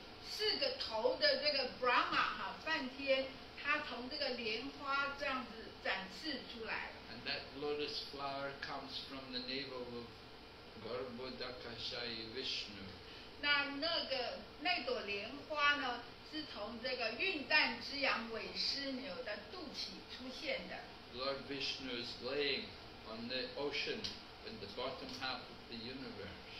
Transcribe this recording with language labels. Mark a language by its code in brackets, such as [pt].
[zh] 四个头的这个 Brahma 哈，梵天，他从这个莲花这样子展示出来。 [en] And that lotus flower comes from the navel of Garbhodakashayi Vishnu. [zh] 那那个那朵莲花呢，是从这个孕蛋之羊韦斯牛的肚脐出现的。 [en] Lord Vishnu is laying on the ocean in the bottom half of the universe.